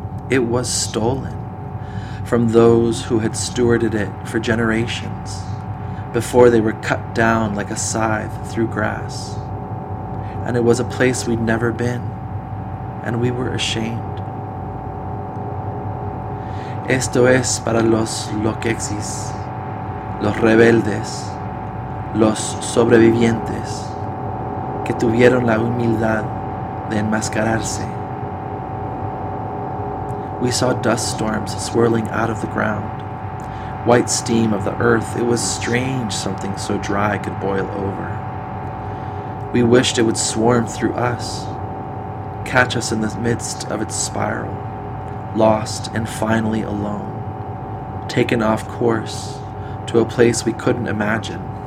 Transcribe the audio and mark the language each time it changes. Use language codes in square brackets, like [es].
[en] It was stolen from those who had stewarded it for generations, before they were cut down like a scythe through grass. And it was a place we'd never been, and we were ashamed. [es] Esto es para los loquexis, los rebeldes, los sobrevivientes, que tuvieron la humildad de enmascararse. [en] We saw dust storms swirling out of the ground, white steam of the earth. It was strange something so dry could boil over. We wished it would swarm through us, catch us in the midst of its spiral, lost and finally alone, taken off course to a place we couldn't imagine.